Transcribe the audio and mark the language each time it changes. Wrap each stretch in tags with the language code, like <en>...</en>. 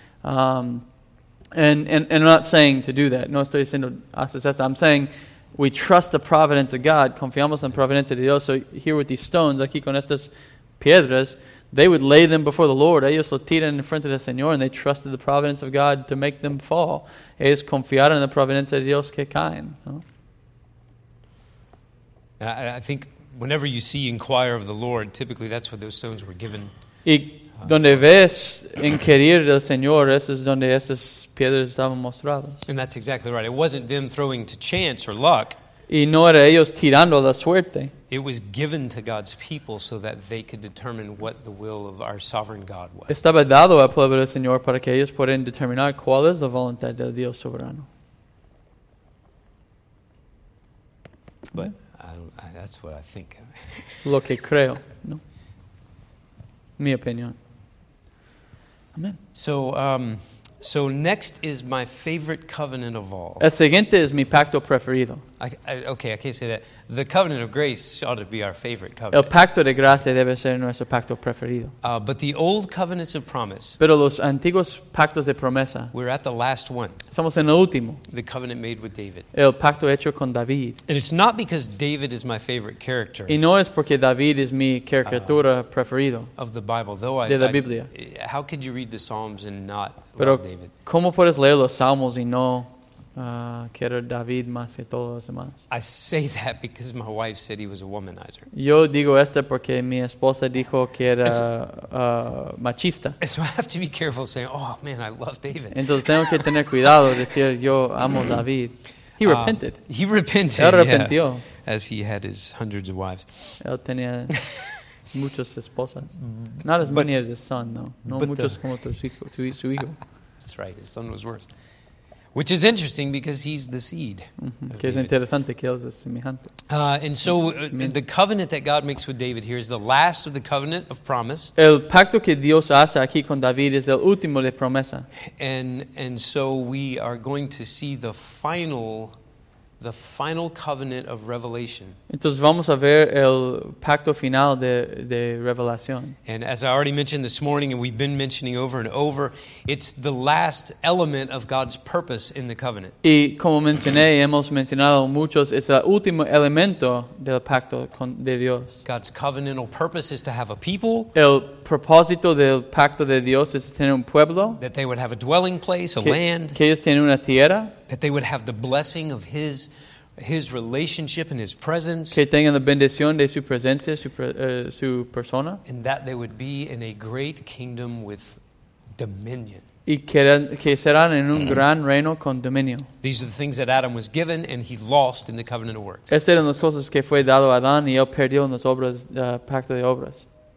<en>And I'm not saying to do that.</en> <es>No estoy diciendo haces eso.</es> <en>I'm saying we trust the providence of God.</en> <es>Confiamos en providencia de Dios.</es> <en>So here with these stones,</en> <es>aquí con estas piedras,</es> <en>they would lay them before the Lord.</en> <es>Ellos lo tiran</es> <en>in front of the Señor, and they trusted the providence of God to make them fall.</en> <es>Ellos confiaron en la providencia de Dios que caen. ¿No?</es> <en>I think whenever you see inquire of the Lord, typically that's what those stones were given.</en> <es>Y donde ves inquirir del Señor, eso es donde esas piedras estaban mostradas.</es> <en>And that's exactly right. It wasn't them throwing to chance or luck.</en> <es>Y no era ellos tirando la suerte.</es> <en>It was given to God's people so that they could determine what the will of our sovereign God was.</en> <es>Estaba dado al pueblo del Señor para que ellos pudieran determinar cuál es la voluntad del Dios soberano.</es> <en>But that's what I think.</en> <es>Lo que creo, ¿no? Mi opinión. Amen.</es> <en>So next is my favorite covenant of all.</en> <es>El siguiente es mi pacto preferido.</es> <en>I can't say that. The covenant of grace ought to be our favorite covenant.</en> <es>El pacto de gracia debe ser nuestro pacto preferido.</es> <en>But the old covenants of promise.</en> <es>Pero los antiguos pactos de promesa.</es> <en>We're at the last one.</en> <es>Estamos en el último.</es> <en>The covenant made with David.</en> <es>El pacto hecho con David.</es> <en>And it's not because David is my favorite character.</en> <es>Y no es porque David es mi caricatura preferido.</es> <en>Of the Bible, though</en> <es>de la Biblia.</es> <en>How could you read the Psalms and not</en> <es>Pero</es> <en>love David?</en> <es>¿Cómo puedes leer los Salmos y no quiero David más que todos los demás?</es> <en>I say that because my wife said he was a womanizer.</en> <es>Yo digo esto porque mi esposa dijo que era machista.</es> <en>So I have to be careful saying, oh man, I love David.</en> <es>Entonces tengo que tener cuidado de decir yo amo David.</es> <en>He repented. He repented.</en> <es>Él arrepintió.</es> <en>Yeah, as he had his hundreds of wives.</en> <es>Él tenía muchas esposas.</es> <en>Not as many as his son, no.</en> <es>No muchos como su hijo.</es> <en>That's right. His son was worse. Which is interesting because he's the seed.</en> <es>Que es interesante que él es semejante.</es> <en>The covenant that God makes with David here is the last of the covenant of promise.</en> <es>El pacto que Dios hace aquí con David es el último de promesa.</es> <en>And so we are going to see the final covenant of revelation.</en> <es>Entonces vamos a ver el pacto final de revelación.</es> <en>And as I already mentioned this morning, and we've been mentioning over and over, it's the last element of God's purpose in the covenant.</en> <es>Y como mencioné, hemos mencionado muchos, es el último elemento del pacto de Dios.</es> <en>God's covenantal purpose is to have a people.</en> <es>El propósito del pacto de Dios es tener un pueblo.</es> <en>That they would have a dwelling place, a land.</en> <es>Que ellos tienen una tierra.</es> <en>That they would have the blessing of his relationship and his presence.</en> <es>Que tengan la bendición de su presencia, su persona.</es> <en>And that they would be in a great kingdom with dominion.</en> <es>Y que serán en un gran reino con dominio.</es> <en>These are the things that Adam was given and he lost in the covenant of works.</en> <es>Estas eran las cosas que fue dado a Adán y él perdió en las obras, pacto de obras.</es>